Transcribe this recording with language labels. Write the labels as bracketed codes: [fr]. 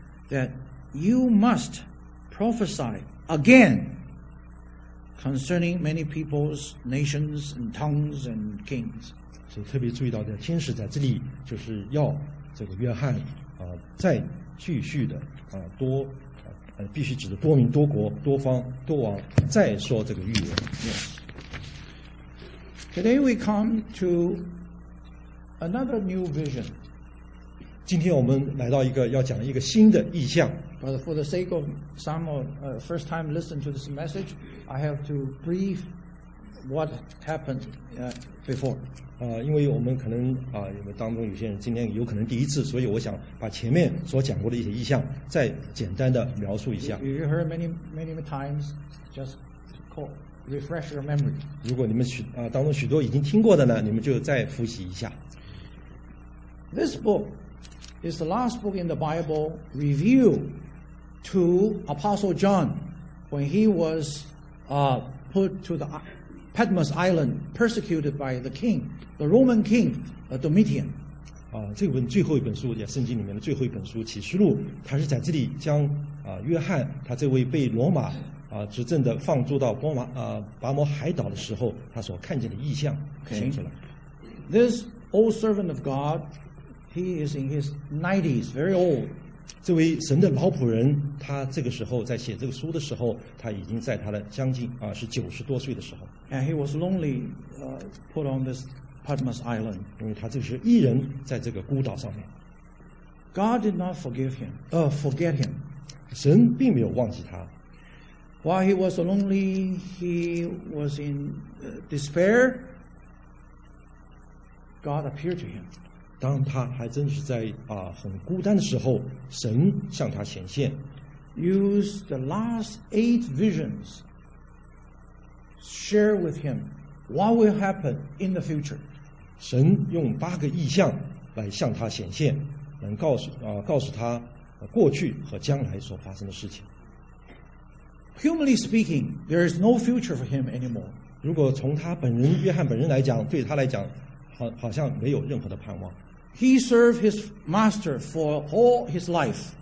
[en] That you must prophesy again concerning many peoples, nations, and tongues, and kings. [zh] So, 特别注意到的天使在这里就是要这个约翰啊，再继续的啊，多必须指着多民、多国、多方、多王再说这个预言。 [en] Yes. Today we come to another new vision. [zh] 今天我们来到一个要讲一个新的意象。 [en] But for the sake of some first time listening to this message, I have to brief what happened before. [zh] 因为我们可能因为当中有些人今天有可能第一次，所以我想把前面所讲过的一些意象再简单的描述一下。 [en] You heard many many times, just refresh your memory. [zh] 如果你们当中许多已经听过的呢，你们就再复习一下。 [en] This book. Is the last book in the Bible revealed to Apostle John when he was put to the Patmos Island, persecuted by the king, the Roman king, Domitian. [zh] 这本最后一本书，也圣经里面的最后一本书《启示录》，他是在这里将约翰他这位被罗马执政的放逐到拔摩海岛的时候，他所看见的异象写出来。 [en] This old servant of God. He is in his 90s, very old. [zh] 这位神的老仆人，他这个时候在写这个书的时候，他已经在他的将近是九十多岁的时候。 [en] And he was lonely, put on this Patmos Island. [zh] 因为他这是一人在这个孤岛上面。 [en] God did not forgive him. Forget him. [zh] 神并没有忘记他。 [en] While he was lonely, he was in despair. God appeared to him. [zh] 当他还真是在很孤单的时候，神向他显现。 [en] Use the last eight visions. Share with him what will happen in the future. [zh] 神用八个意象来向他显现，能告诉他过去和将来所发生的事情。 [en] Humanly speaking, there is no future for him anymore. [zh] 如果从他本人约翰本人来讲，对他来讲，好像没有任何的盼望。 [en] He served his master for all his life.